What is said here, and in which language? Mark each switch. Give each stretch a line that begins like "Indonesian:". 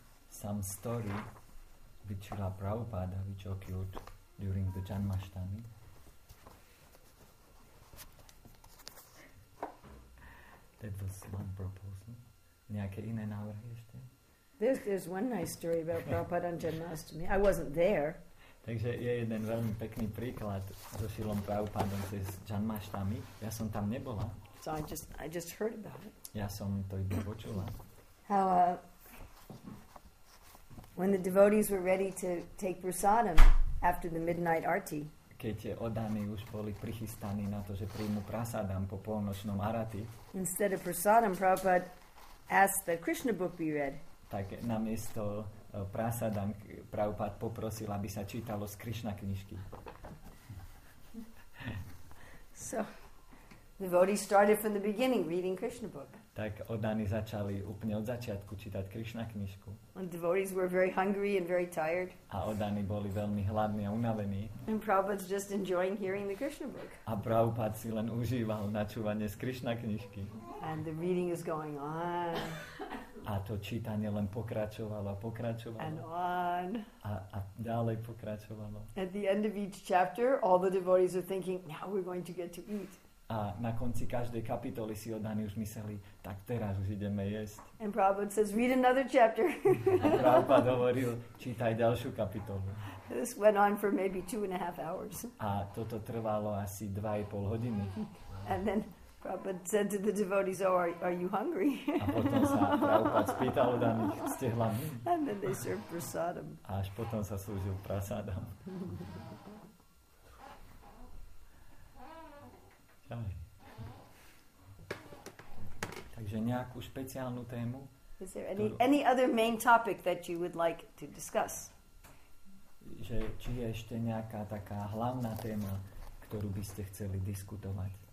English: Some story which Srila Prabhupada which occurred during the Janmashtami. It was one proposal.
Slovak: Nejaké iné návrhy ešte?
English: There's one nice story about Prabhupada on Janmashtami. I wasn't there.
Slovak: Takže je jeden veľmi pekný príklad so Srilom Prabhupádom cez Janmashtami. Ja som tam nebola.
English: So I just heard about it.
Slovak: Ja som to iba počula.
English: How when the devotees were ready to take prasadam after the midnight arti.
Slovak: Keď oddaní už boli prichystaní na to, že príjmu prasadam po polnočnom arati.
English: Instead of prasadam, Prabhupada asked that Krishna book be read.
Slovak: Tak namiesto prasadam Prabhupada poprosil, aby sa čítalo z Krishna knižky.
English: So the devotees started from the beginning reading Krishna book.
Slovak: Tak oddaní začali úplne od začiatku čítať Krishna knižku.
English: And devotees were very hungry and very tired.
Slovak: A oddaní boli veľmi hladní a unavení.
English: And Prabhupada's just enjoying hearing the Krishna book.
Slovak: A Prabhupada si len užíval načúvanie z Krishna knižky.
English: And the reading is going on.
Slovak: A to čítanie len pokračovalo a pokračovalo.
English: And on.
Slovak: A ďalej pokračovalo.
English: At the end of each chapter, all the devotees are thinking, now we're going to get to eat.
Slovak: A na konci každej kapitoly si oddaní už mysleli, tak teraz už ideme jesť.
English: And Prabhupada says, read another chapter.
Slovak: A Prabhupada hovoril, čítaj ďalšiu kapitolu.
English: This went on for maybe 2.5 hours.
Slovak: A toto trvalo asi 2.5 hodiny.
English: And then Prabhupada said to the devotees, oh, are you hungry?
Slovak: A potom sa Prabhupada spýtal oddaných, ste hladní?
English: And then they served prasadam.
Slovak: A až potom sa slúžil prasadam. Takže nejakú špeciálnu tému?
English: Is there any other main topic that you would like to discuss?
Slovak: Že či je ešte nejaká taká hlavná téma, ktorú by ste chceli diskutovať?